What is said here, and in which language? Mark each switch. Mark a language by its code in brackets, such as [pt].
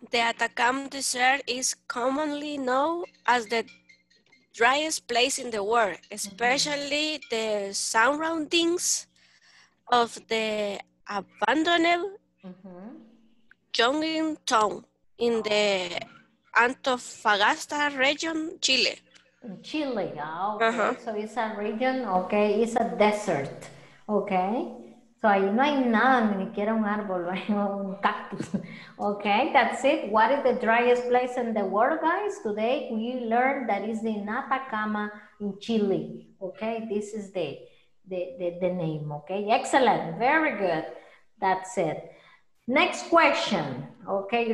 [en] The Atacama Desert is commonly known as the driest place in the world, especially the surroundings of the abandoned jungle town in the Antofagasta region, Chile. Chile, okay. Uh-huh. So it's a region, okay, it's a desert, okay? [es] So ahí no hay nada, ni siquiera un árbol, un cactus. [en] Okay, that's it. What is the driest place in the world, guys? Today we learned that is in Atacama in Chile. Okay, this is the name, okay? Excellent, very good. That's it. Next question, okay?